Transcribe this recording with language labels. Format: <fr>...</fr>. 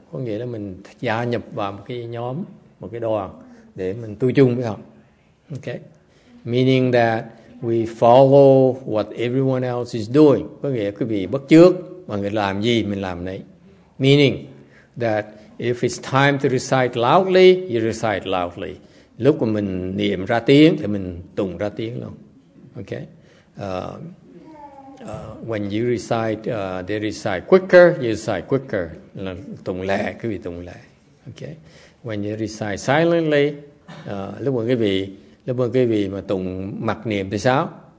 <vi>Có nghĩa là mình gia nhập vào một cái nhóm, một cái đoàn để mình tu chung với họ.</vi> <en>Okay, meaning that we follow what everyone else is doing.</en> <vi>Có nghĩa quý vị bắt chước mà người làm gì mình làm đấy.</vi> <en>Meaning that if it's time to recite loudly, you recite loudly.</en> <vi>Lúc mà mình niệm ra tiếng thì mình tụng ra tiếng luôn. Okay.</vi> <en>When you recite, they recite quicker. You recite quicker.</en> <vi>Là tụng lẹ, quý vị tụng lẹ. Okay.</vi> <en>When you recite silently,</en> <vi>lúc mà quý vị mà tụng mặc niệm thì sao?</vi>